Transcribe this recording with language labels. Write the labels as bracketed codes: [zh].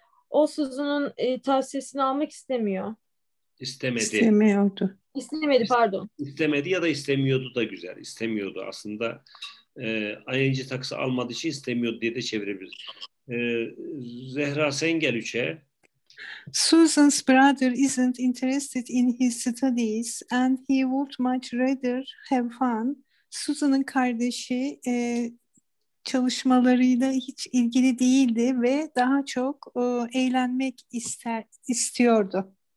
[tr] O Susan'ın tavsiyesini almak istemiyor. İstemedi. İstemiyordu. İstemedi pardon. İstemedi ya da istemiyordu da güzel. İstemiyordu aslında. ING takısı almadığı için istemiyordu diye de çevirebiliriz. Zehra sen gel üçe. [en] Susan's brother isn't interested in his studies and he would much rather have fun. [tr] Susan'ın kardeşi çalışmalarıyla hiç ilgili değildi ve daha çok eğlenmek istiyordu.